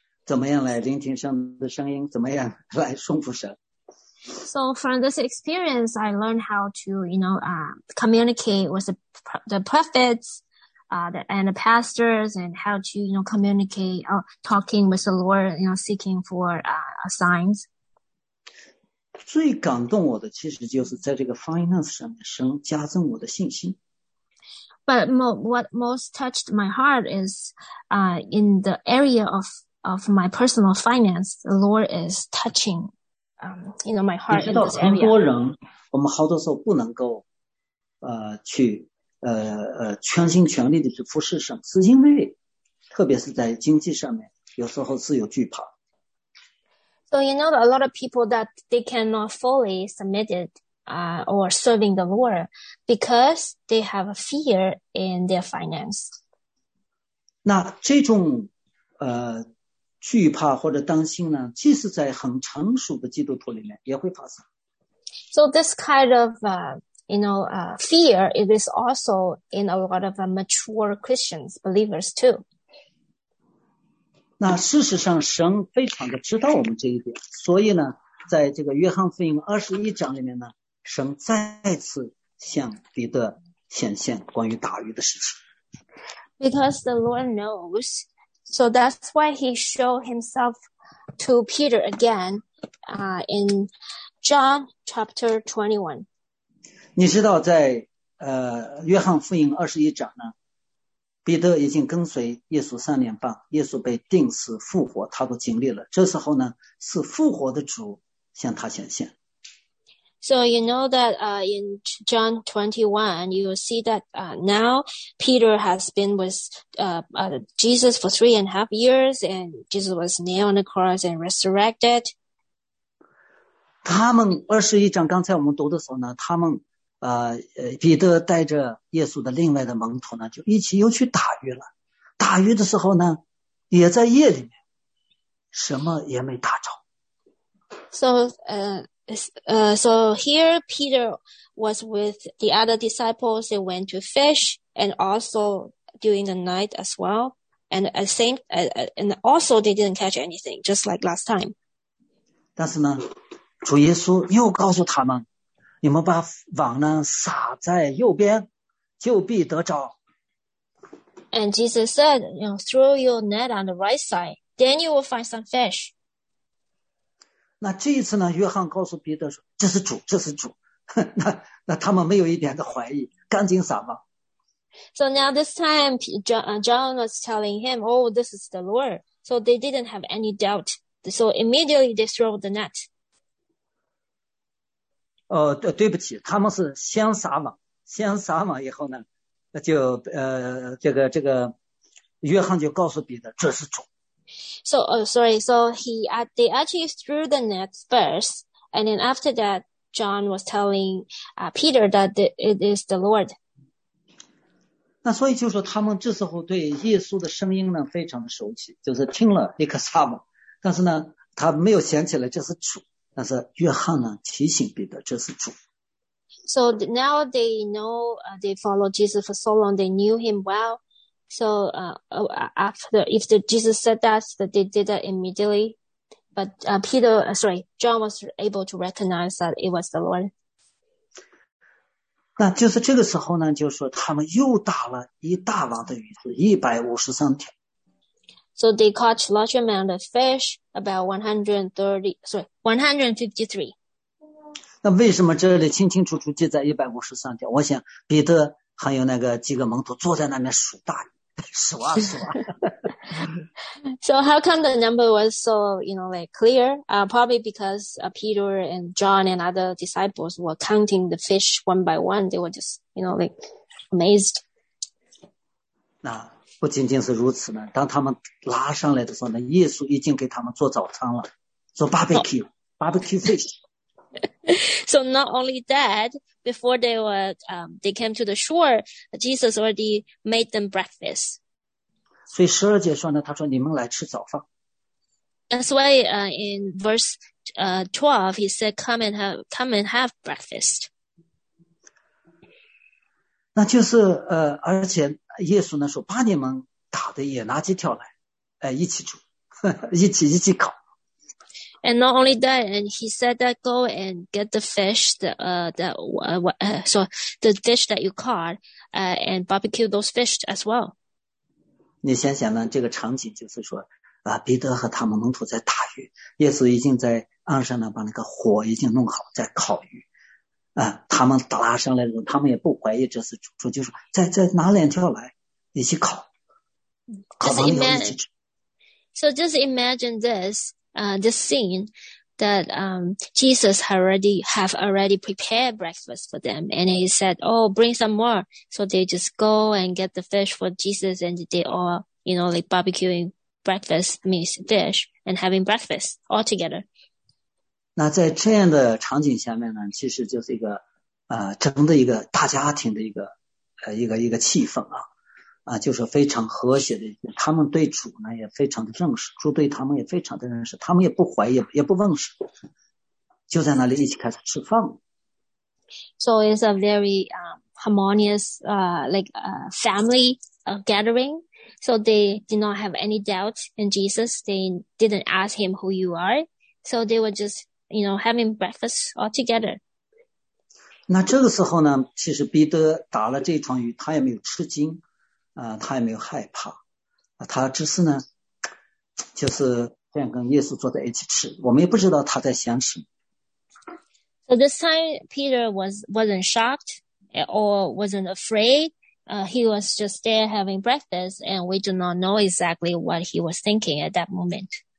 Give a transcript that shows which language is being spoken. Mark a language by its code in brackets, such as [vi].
[zh] 怎么样来聆听神的声音，怎么样来顺服神。 [en] So from this experience, I learned how to, you know, communicate with the prophets, and the pastors, and how to, you know, communicate, talking with the Lord, you know, seeking for, signs. [zh] 最感动我的其实就是在这个 finance 上面，神加增我的信心。 [en] But what most touched my heart is, in the area of my personal finance, the Lord is touching. You know, my heart in this area. [zh] 你知道，很多人，我们好多时候不能够，去，全心全力的去服侍神，是因为，特别是在经济上面，有时候是有惧怕。 [en] So you know, a lot of people that they cannot fully submit it, or serving the Lord because they have a fear in their finance. [zh] 那这种，惧怕或者担心呢，即使在很成熟的基督徒里面也会发生。 [en] So this kind of, you know, fear, it is also in a lot of mature Christians, believers too. [zh] 那事实上神非常的知道我们这一点，所以呢，在这个约翰福音21章里面呢，神再次向彼得显现关于打鱼的事情。 [en] Because the Lord knows,So that's why he showed himself to Peter again, in John chapter 21. [zh] 你知道在，约翰福音21章呢，彼得已经跟随耶稣三年半，耶稣被钉死复活，他都经历了。这时候呢，是复活的主向他显现。 [en] So you know that, in John 21, you will see that, now Peter has been with, Jesus for 3.5 years and Jesus was nailed on the cross and resurrected. [zh] 他们21章刚才我们读的时候呢，他们，彼得带着耶稣的另外的门徒呢，就一起又去打鱼了。打鱼的时候呢，也在夜里面，什么也没打着。 [en] So here Peter was with the other disciples. They went to fish and also during the night as well. And at same, and also they didn't catch anything, just like last time. [zh] 但是呢，主耶稣又告诉他们，你们把网呢撒在右边，就必得着。 [en] And Jesus said, you know, throw your net on the right side, then you will find some fish. [zh] 那这一次呢，约翰告诉彼得说，这是主，这是主。那他们没有一点的怀疑，赶紧撒网。 [en] So now this time, John was telling him, oh, this is the Lord. So they didn't have any doubt. So immediately they throw the net. [zh] 对不起，他们是先撒网，先撒网以后呢，就这个约翰就告诉彼得，这是主。 [en] They actually threw the net first, and then after that, John was telling, Peter that it is the Lord. [zh] 那所以就说他们这时候对耶稣的声音呢非常的熟悉，就是听了立刻撒网，但是呢他没有想起来这是主，但是约翰呢提醒彼得这是主。 [en] So now they know, they follow Jesus for so long, they knew him well. So, if Jesus said that they did that immediately, but, John was able to recognize that it was the Lord. [zh] 那就是这个时候呢，就说他们又打了一大网的鱼，是153条。 [en] So they caught large amount of fish, about 153. [zh] 那为什么这里清清楚楚记在153条？我想彼得还有那个几个门徒坐在那边数大鱼。 [en] So how come the number was so, you know, like clear? Probably because, Peter and John and other disciples were counting the fish one by one. They were just, you know, like amazed. [zh] 那不仅仅是如此呢，当他们拉上来的时候呢，耶稣已经给他们做早餐了，做 [en] barbecue fish. So not only that, before they were, they came to the shore, Jesus already made them breakfast. [zh] 所以十二节说呢，他说你们来吃早饭。 [en] That's why, in verse, 12, he said, come and have breakfast. [zh] 那就是，而且耶稣呢说，把你们打的也拿几条来，一起煮，一起烤。 [en] And not only that, and he said that go and get the fish, the fish that you caught, and barbecue those fish as well. [zh] 你想想呢，这个场景就是说，啊，彼得和塔莫蒙图在打鱼，耶稣已经在岸上呢，把那个火已经弄好，在烤鱼。啊，他们拉上来的时候，他们也不怀疑这是主，就是说，再拿两条来，一起烤，烤完以后一起吃。 [en] So just imagine this. The scene that Jesus have already prepared breakfast for them, and he said, "Oh, bring some more." So they just go and get the fish for Jesus, and they all, you know, like barbecuing breakfast, meat, fish, and having breakfast all together. [zh] 那在这样的场景下面呢，其实就是一个整的一个大家庭的一个气氛啊。啊，就是非常和谐的，他们对主呢也非常的认识，主对他们也非常的认识，他们也不怀疑，也不问事，就在那里一起开始吃饭。 [en] So it's a very harmonious family gathering. So they did not have any doubt in Jesus. They didn't ask him who you are. So they were just, you know, having breakfast all together. [zh] 那这个时候呢，其实彼得打了这一场鱼，他也没有吃惊。他也没有害怕，他只是呢，就是这样跟耶稣坐在一起吃。我们也不知道他在想什么。 [en] So this time Peter wasn't shocked or wasn't afraid. He was just there having breakfast, and we do not know exactly what he was thinking at that moment.